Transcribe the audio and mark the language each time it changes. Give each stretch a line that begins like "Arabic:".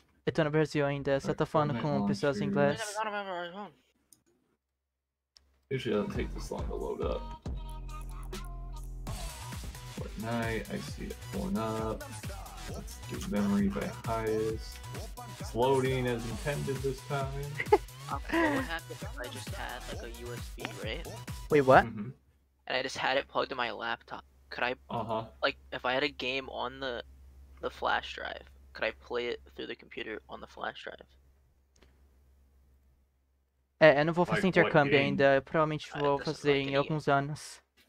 Portuguese: Eu tô no Brasil ainda, só tô falando com pessoas em inglês.
English: Usually doesn't take this long to load up. Fortnite, I see it pulling up. Give memory by highest. It's loading as intended this time. What happened? I just had like a USB, right? Wait, what? Mm-hmm. And I just had it plugged to my laptop. Could I, like, if I had a game on the flash drive, could I play it through the computer on the flash drive?
Portuguese: É, eu não vou fazer intercâmbio ainda, eu provavelmente vou fazer em alguns anos.